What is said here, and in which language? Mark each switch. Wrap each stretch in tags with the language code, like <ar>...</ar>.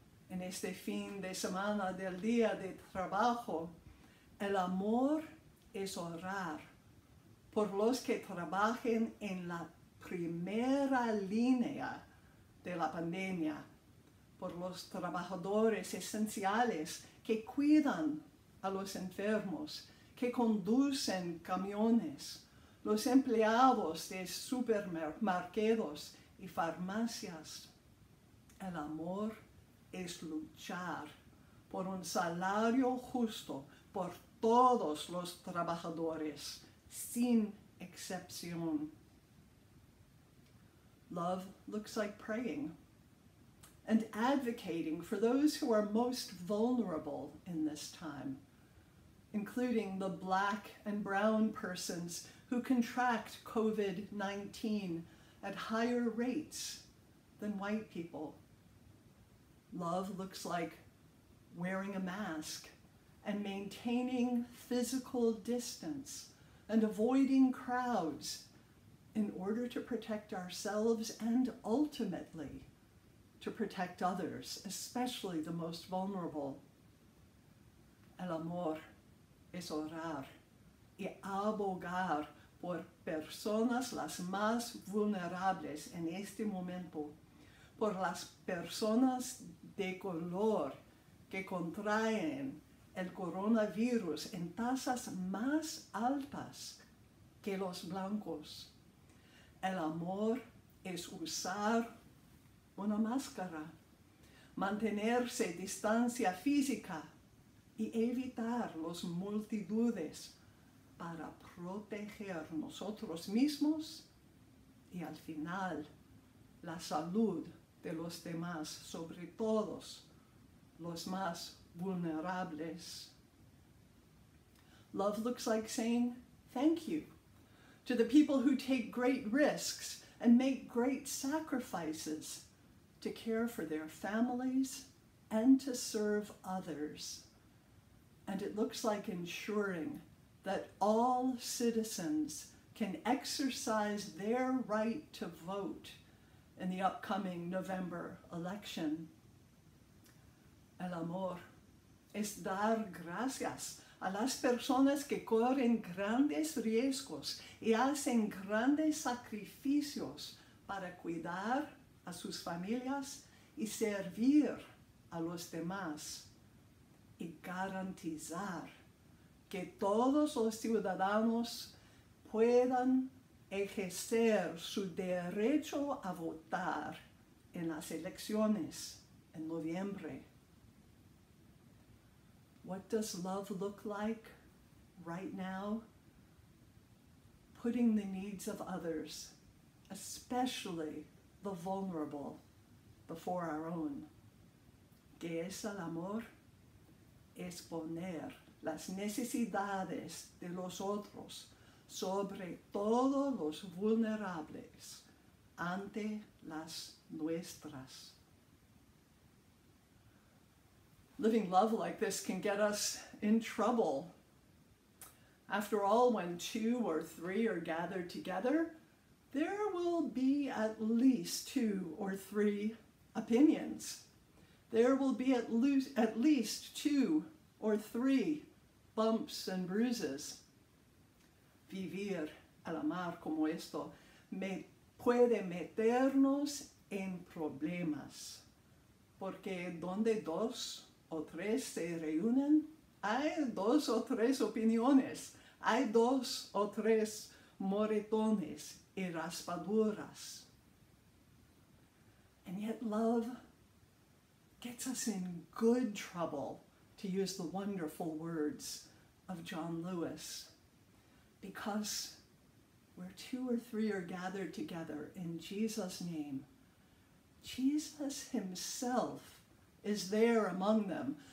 <es>En este fin de semana del día de trabajo, el amor es orar por los que trabajen en la primera línea de la pandemia, por los trabajadores esenciales que cuidan a los enfermos, que conducen camiones, los empleados de supermercados y farmacias. El amor es luchar por un salario justo por todos los trabajadores, sin excepción.</es> <en>Love looks like praying and advocating for those who are most vulnerable in this time, including the Black and Brown persons who contract COVID-19 at higher rates than white people. Love looks like wearing a mask and maintaining physical distance and avoiding crowds in order to protect ourselves and ultimately to protect others, especially the most vulnerable.</en> <es>El amor es orar y abogar por personas las más vulnerables en este momento, por las personas de color que contraen el coronavirus en tasas más altas que los blancos. El amor es usar una máscara, mantenerse distancia física y evitar las multitudes para proteger nosotros mismos y al final la salud de los demás, sobre todo los más vulnerables.</es> <en>Love looks like saying thank you to the people who take great risks and make great sacrifices to care for their families and to serve others. And it looks like ensuring that all citizens can exercise their right to vote in the upcoming November election.</en> <es>El amor es dar gracias a las personas que corren grandes riesgos y hacen grandes sacrificios para cuidar a sus familias y servir a los demás y garantizar que todos los ciudadanos puedan ejercer su derecho a votar en las elecciones en noviembre.</es> <en>What does love look like right now? Putting the needs of others, especially the vulnerable, before our own.</en> <es>¿Qué es el amor? Es poner las necesidades de los otros sobre todos los vulnerables ante las nuestras.</es> <en>Living love like this can get us in trouble. After all, when two or three are gathered together, there will be at least two or three opinions. There will be at least two or three bumps and bruises.</en> <es>Vivir al amar como esto puede meternos en problemas. Porque donde dos o tres se reúnen, hay dos o tres opiniones, hay dos o tres moretones y raspaduras.</es> <en>And yet love gets us in good trouble, to use the wonderful words of John Lewis, because where two or three are gathered together in Jesus' name, Jesus himself is there among them.</en>